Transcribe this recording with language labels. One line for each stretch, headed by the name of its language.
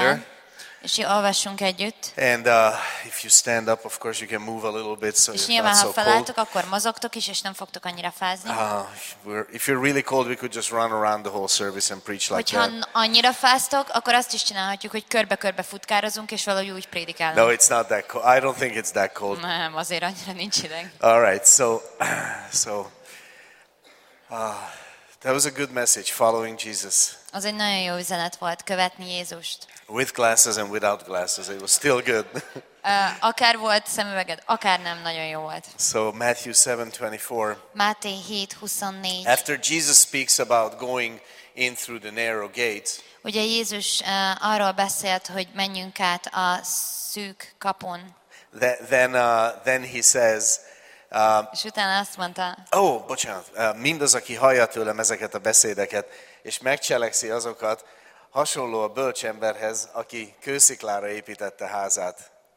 Hungarian: Fel, és olvassunk együtt.
English: And if you stand up, of course, you can move a little bit, so
Hungarian: és
English: you're
Hungarian: nyilván,
English: not so cold.
Hungarian: Felálltok, akkor mozogtok is, és nem fogtok annyira fázni.
English: If you're really cold, we could just run around the whole service and preach like
Hungarian: hogyha
English: that.
Hungarian: Hogyha annyira fáztok, akkor azt is csinálhatjuk, hogy körbe-körbe futkározunk, és valahogy úgy prédikálunk.
English: No, it's not that cold. I don't think it's that cold.
Hungarian: Nem, azért annyira nincs ideg.
English: All right, so that was a good message, following Jesus.
Hungarian: Az egy nagyon jó üzenet volt, követni Jézust.
English: With glasses and without glasses, it was still good.
Hungarian: Akár volt szemüveged, akár nem, nagyon jó volt.
English: So Matthew 7:24.
Hungarian: Máté 7:24.
English: After Jesus speaks about going in through the narrow gate.
Hungarian: Ugye Jézus arról beszélt, hogy menjünk át a szűk kapun.
English: Then he says.
Hungarian: És utána azt mondta. Oh, bocsánat. Mindaz, aki hallja tőlem ezeket a beszédeket, és megcselekszi azokat, hasonló a bölcs emberhez, aki kősziklára építette házát.